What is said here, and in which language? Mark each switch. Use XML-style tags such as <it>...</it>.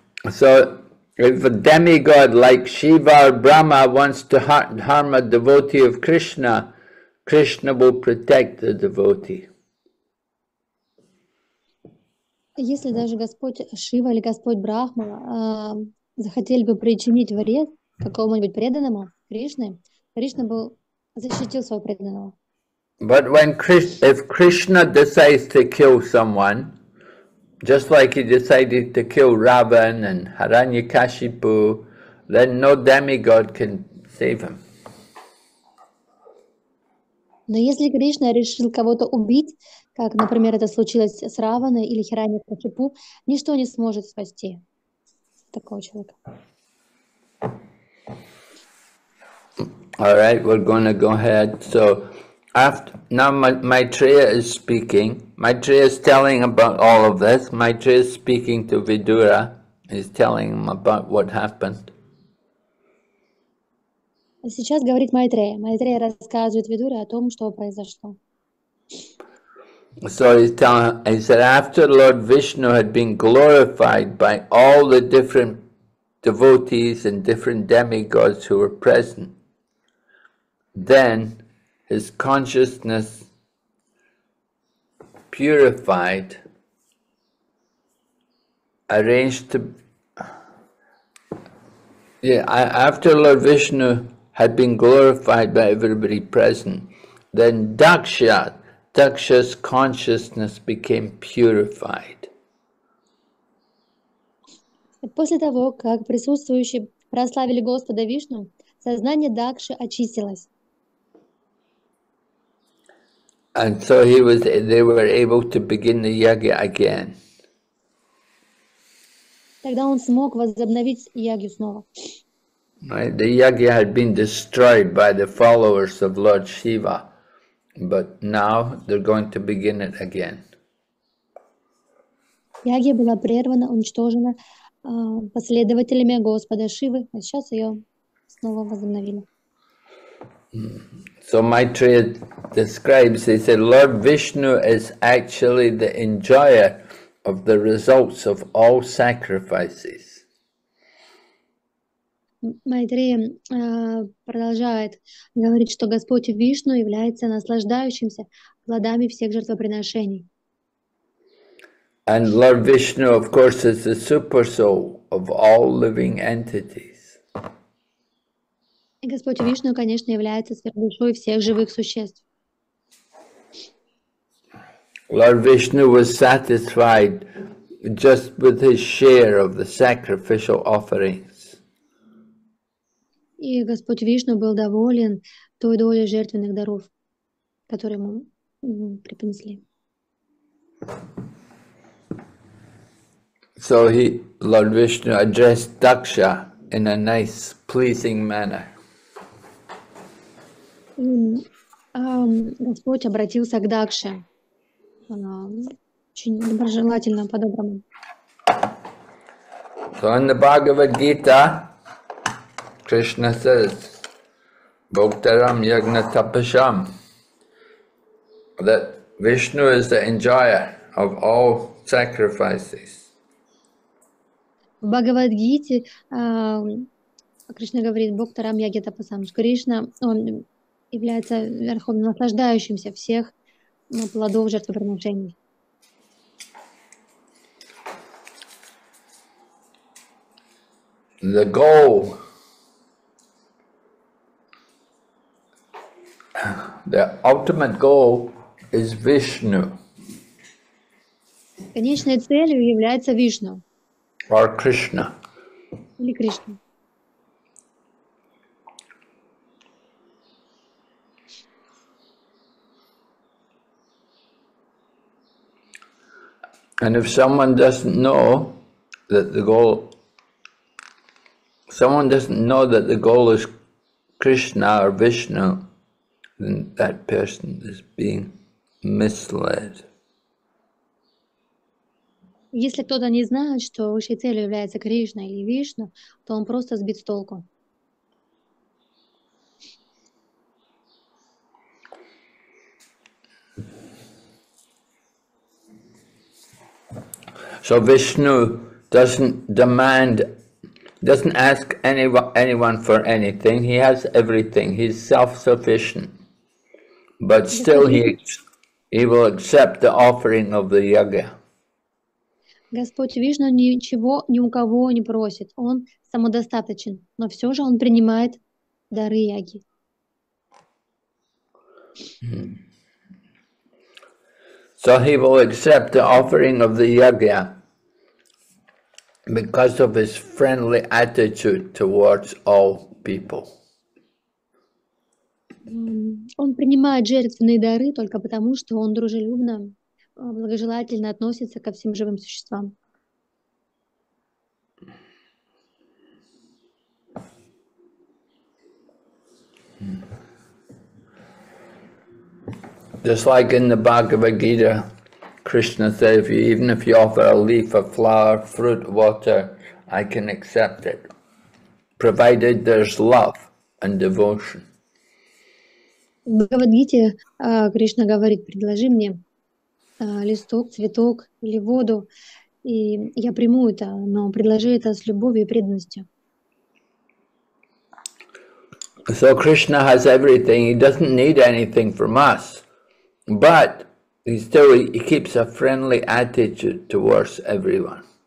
<en>So, if a demigod like Shiva or Brahma wants to harm a devotee of Krishna, Krishna will protect the devotee.</en> <ru>Если даже Господь Шива или Господь Брахма захотели бы причинить вред какому-нибудь преданному Кришне, Кришна бы защитил своего преданного.</ru> <en>But when if Krishna decides to kill someone, just like he decided to kill Ravan and Haranyakashipu, then no demigod can save him.</en> <ru>Но если Кришна решил кого-то убить, как, например, это случилось с Раваной или Хираньякашипу, ничто не сможет спасти такого человека.</ru> <en>All right, we're going to go ahead. So, after now Maitreya is speaking. Maitreya is telling about all of this. Maitreya is speaking to Vidura. He's telling him about what happened.</en> <ru>Сейчас говорит Майтрея. Майтрея рассказывает Видуре о том, что произошло.</ru> <en>So he said after Lord Vishnu had been glorified by all the different devotees and different demigods who were present, then his consciousness purified, arranged to. Yeah, after Lord Vishnu had been glorified by everybody present, then Daksha's consciousness became purified.</en> <ru>После того, как присутствующие прославили Господа Вишну, сознание Дакши очистилось.</ru> <en>And so they were able to begin the yagya again.</en> <ru>Тогда он смог возобновить ягью снова.</ru> <en>Right. The yagya had been destroyed by the followers of Lord Shiva, but now they're going to begin it again.</en> <ru>Ягья была прервана, уничтожена последователями Господа Шивы, а сейчас ее снова возобновили.</ru> <en>So Maitreya describes, he said, Lord Vishnu is actually the enjoyer of the results of all sacrifices.</en> <ru>Майтрея продолжает говорить, что Господь Вишну является наслаждающимся плодами всех жертвоприношений.</ru> <en>And Lord Vishnu, of course, is the super soul of all living entities.</en> <ru>И Господь Вишну, конечно, является сверхдушой всех живых существ.</ru> <en>Lord Vishnu was satisfied just with his share of the sacrificial offering.</en> <ru>И Господь Вишну был доволен той долей жертвенных даров, которые ему принесли.</ru> <en>So he, Lord Vishnu, addressed Daksha in a nice, pleasing manner.</en> <ru>Господь обратился к Дакше очень доброжелательно, по-доброму.</ru> <en>So in the Bhagavad Gita, Krishna says,</en> <sa>Bhoktaram Yagna Tapasham,</sa> <en>that Vishnu is the enjoyer of all sacrifices.</en> <ru>В Бхагавад Гите Кришна говорит,</ru> <sa>Бхоктарам Ягна Тапасам,</sa> <ru>что Кришна является верховным наслаждающимся всех плодов жертвоприношений.</ru> <en>The goal The ultimate goal is Vishnu.</en> <ru>Конечной целью является Вишну.</ru> <en>Or Krishna.</en> <ru>Или Кришна.</ru> <en>And if someone doesn't know that the goal, someone doesn't know that the goal is Krishna or Vishnu, then that person is being misled.</en> <ru>Если кто-то не знает, что высшей целью является Кришна или Вишну, то он просто сбит с толку.</ru> <en>So Vishnu doesn't demand, doesn't ask anyone for anything. He has everything. He's self-sufficient. But still he will accept the offering of the yajna.</en> <ru>Господь Вишну ничего ни у кого не просит. Он самодостаточен, но все же он принимает дары яги.</ru> <en>So he will accept the offering of the yajna. Because of his friendly attitude towards all people.</en> <ru>Он принимает жертвенные дары только потому, что он дружелюбно, благожелательно относится ко всем живым существам.</ru> <en>Just like in the Bhagavad Gita, Krishna said, even if you offer a leaf, a flower, fruit, water, I can accept it, provided there's love and devotion.</en> <ru>В Бхагавад-гите Кришна говорит, предложи мне листок, цветок или воду, и я приму это, но предложи это с любовью и преданностью.</ru> <en>So Krishna has everything, he doesn't need anything from us, but he still he keeps a friendly attitude towards everyone.</en>